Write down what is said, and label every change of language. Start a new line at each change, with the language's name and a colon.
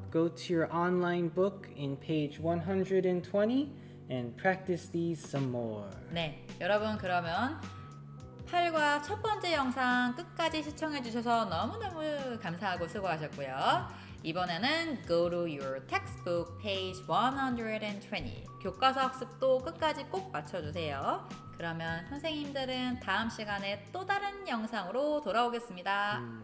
English: Go to your online book in page 120 and practice these some more.
Korean: 네, 여러분 그러면 8과 첫 번째 영상 끝까지 시청해 주셔서 너무너무 감사하고 수고하셨고요. 이번에는
English: go to your textbook page 120.
Korean: 교과서 학습도 끝까지 꼭 맞춰주세요. 그러면 선생님들은 다음 시간에 또 다른 영상으로 돌아오겠습니다.